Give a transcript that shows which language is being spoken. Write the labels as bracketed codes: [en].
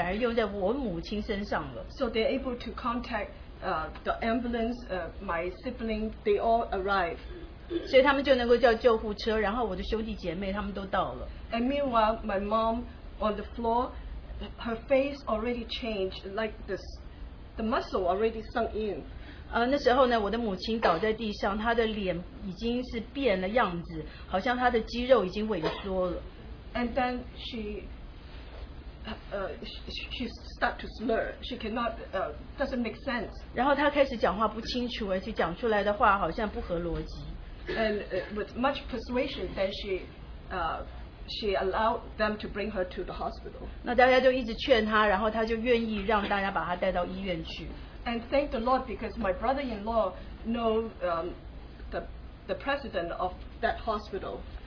[zh] 那变成不是用在我的父亲身上，反而用在我母亲身上了。 [en] So they're able to contact the ambulance, my sibling, they all arrive. [zh] 所以他们就能够叫救护车，然后我的兄弟姐妹他们都到了。 [en] And meanwhile, my mom on the floor, her face already changed like this. The muscle already sunk in. [zh] 那时候呢，我的母亲倒在地上，她的脸已经是变了样子，好像她的肌肉已经萎缩了。 [en] And then she start to slur. She cannot doesn't make sense. [zh] 然后她开始讲话不清楚，而且讲出来的话好像不合逻辑。 [en] And with much persuasion, then she allowed them to bring her to the hospital. [zh] 那大家就一直劝她，然后她就愿意让大家把她带到医院去。 [en] And thank the Lord because my brother-in-law know the president of that hospital.